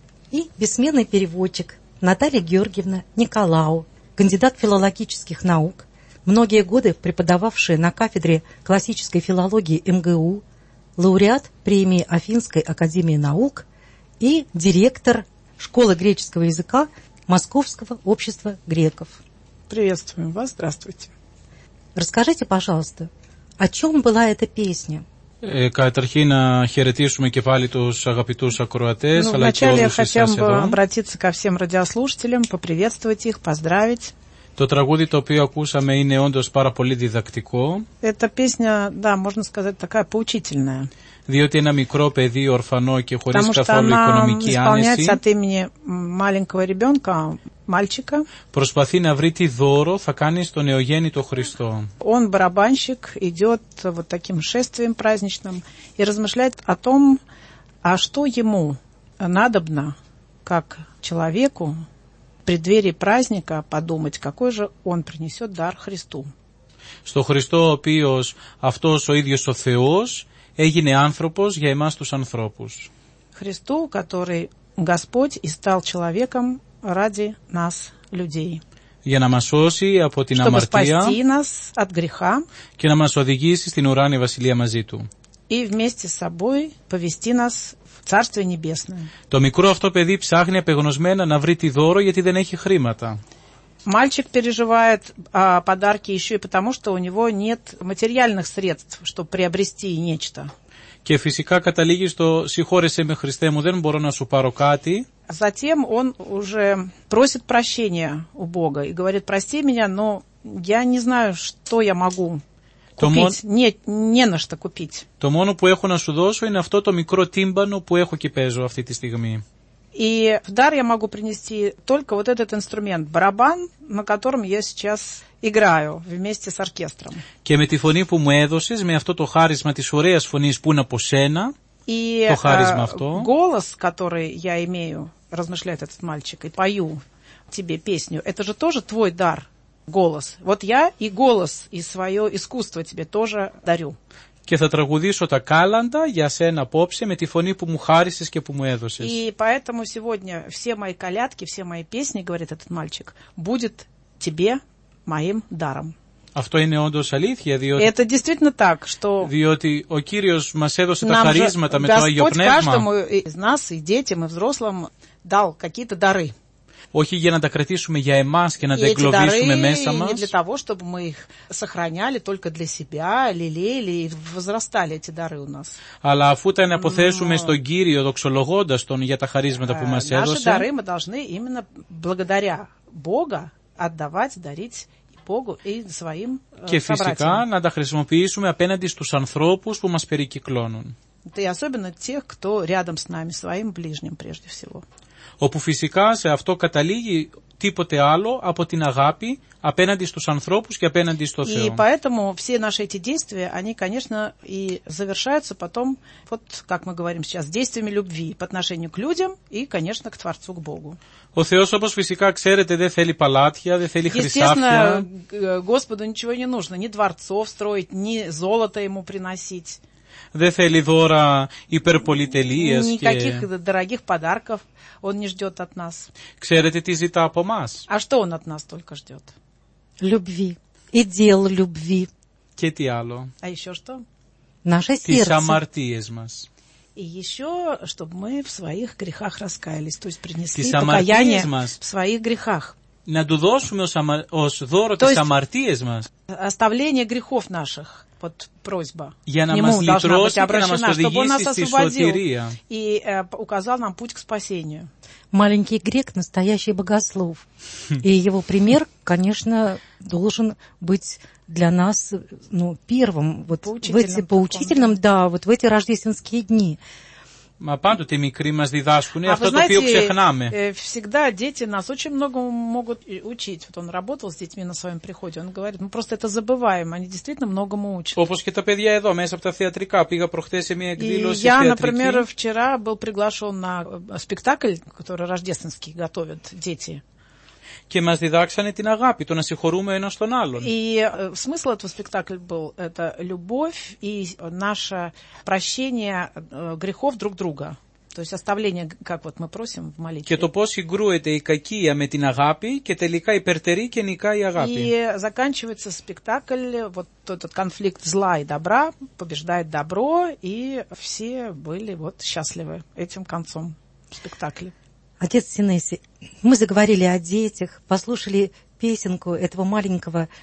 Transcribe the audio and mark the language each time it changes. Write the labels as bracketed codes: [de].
[ru] И бессменный переводчик Наталья Георгиевна Николау, кандидат филологических наук, многие годы преподававшая на кафедре классической филологии МГУ, лауреат премии Афинской академии наук и директор школы греческого языка Московского общества греков. Приветствуем вас, здравствуйте. Расскажите, пожалуйста, о чем была эта песня? [el] Καταρχήν να χαιρετήσουμε και πάλι τους αγαπητούς ακροατές, αλλά και όλους εσάς εδώ. [ru] Обратиться ко всем радиослушателям, поприветствовать их, поздравить. [el] Το τραγούδι το οποίο ακούσαμε είναι όντως πάρα πολύ διδακτικό. [ru] Эта песня, да, можно сказать, такая поучительная. [el] Διότι ένα μικρό παιδί, ορφανό και χωρίς καθόλου οικονομική άνεση. [ru] Потому что она исполняется от имени маленького ребенка, мальчика. [el] Προσπαθεί να βρει τι δώρο θα κάνει στον νεογέννητο Χριστό. [ru] Он барабанщик, идет вот таким шествием праздничным и размышляет о том, а что ему надобно, как человеку, в преддверии праздника подумать, какой же он принесет дар Христу. [el] Στο Χριστό, ο οποίος αυτός ο ίδιος ο Θεός έγινε άνθρωπος για εμάς τους ανθρώπους. [ru] Христу, который Господь и стал человеком ради нас, людей. [el] Για να μας σώσει από την αμαρτία. [ru] Чтобы спасти нас от греха. [el] Και να μας οδηγήσει στην ουράνια βασιλεία μαζί του. [ru] И вместе с собой повести нас Царствие Небесное. [el] Το μικρό αυτό παιδί ψάχνει απεγνωσμένα να βρει τη δώρο γιατί δεν έχει χρήματα. [ru] Мальчик переживает подарки еще и потому, что у него нет материальных средств, чтобы приобрести нечто. [el] Και φυσικά καταλήγει στο «Συγχώρεσέ με Χριστέ μου, δεν μπορώ να σου πάρω κάτι». [ru] Затем он уже просит прощения у Бога и говорит «Прости меня, но я не знаю, что я могу». Нет, не на что купить. [el] Το μόνο που έχω να σου δώσω είναι αυτό το μικρό τύμπανο που έχω και παίζω αυτή τη στιγμή. [ru] И в дар я могу принести только вот этот инструмент, барабан, на котором я сейчас играю вместе с оркестром. [el] Και με τη φωνή που μου έδωσες, με αυτό το χάρισμα της ωραίας φωνής που είναι από σένα, [ru] и, [el] το χάρισμα αυτό. [ru] И голос, который я имею, размышляет этот мальчик, и пою тебе песню, это же тоже твой дар, голос. Вот я и голос, и свое искусство тебе тоже дарю. [el] Και θα τραγουδήσω τα κάλαντα για σένα απόψε με τη φωνή που μου χάρισες και που μου έδωσες. [ru] И поэтому сегодня все мои колядки, все мои песни, говорит этот мальчик, будет тебе моим даром. [el] Αυτό είναι όντως αλήθεια, διότι... [ru] Это действительно так, что... [el] Διότι ο Κύριος μας έδωσε τα χαρίσματα με το Άγιο Πνεύμα. [ru] Господь каждому из нас, и детям, и взрослым дал какие-то дары. [el] Όχι για να τα κρατήσουμε για εμάς και να τα εγκλωβίσουμε μέσα μας. [ru] Не для того, чтобы мы их сохраняли только для себя, лелеяли и возрастали эти дары у нас. [el] Αλλά αφού τα αναποθέσουμε στον Κύριο, δοξολογώντας Τον για τα χαρίσματα που μας έδωσε. [ru] Наши дары мы должны именно благодаря Бога отдавать, дарить Богу и своим собратьям. [el] Και φυσικά να τα χρησιμοποιήσουμε απέναντι στους ανθρώπους που μας περικυκλώνουν. [ru] И особенно тех, кто рядом с нами, своим ближним прежде всего. [el] Όπου φυσικά σε αυτό καταλήγει τίποτε άλλο από την αγάπη απέναντι στους ανθρώπους και απέναντι στο Θεό. [ru] И поэтому все наши эти действия, они, конечно, и завершаются потом, вот как мы говорим сейчас, действиями любви по отношению к людям и, конечно, к Творцу, к Богу. [el] Ο Θεός, όπως φυσικά ξέρετε, δεν θέλει παλάτια, δεν θέλει χρυσάφια. [ru] Естественно, Господу ничего не нужно, ни дворцов строить, ни золото ему приносить. [el] Δεν θέλει δώρα υπερπολιτελείες. [ru] Никаких [el] και... [ru] дорогих подарков он не ждет от нас. [el] Ξέρετε τι ζητά από μας. [ru] А что он от нас только ждет? Любви. И дел любви. [el] Και τι άλλο. [ru] А еще что? Наше сердце. [el] Τις αμαρτίες μας. [ru] И еще, чтобы мы в своих грехах раскаялись. То есть принесли покаяние в своих грехах. [el] Να του δώσουμε ως δώρο τις αμαρτίες μας. [ru] Оставление грехов наших. Под просьба. [el] Για να μας λυτρώσει και να μας οδηγήσει στη σωτηρία. [ru] И указал нам путь к спасению. Маленький грек, настоящий богослов. И его пример, конечно, должен быть для нас ну, первым. Вот в эти поучительным, да, вот в эти рождественские дни. [el] Μα πάντοτε οι μικροί μας διδάσκουν αυτό το οποίο ξεχνάμε. [ru] Всегда дети нас очень много могут учить. Вот он работал с детьми на своем приходе. Он говорит, мы просто это забываем. Они действительно многому учат. [el] Όπως και τα παιδιά εδώ, μέσα από τα θεατρικά. Πήγα προχθές σε μια εκδήλωση θεατρική. [ru] Я, например, вчера был приглашен на спектакль, который рождественский готовят дети. [el] Και μας διδάξανε την αγάπη, το να συγχωρούμε ένας τον άλλον. [ru] И смысл этого спектакля был, это любовь и наше прощение грехов друг друга. То есть оставление, как вот мы просим в молитве. [el] Και το πώς συγκρούεται η κακία με την αγάπη και τελικά υπερτερεί και νικάει η αγάπη. [ru] И заканчивается спектакль, вот этот конфликт зла и добра, побеждает добро, и все были вот счастливы этим концом спектакля. Отец Синеси, мы заговорили о детях, послушали песенку этого маленького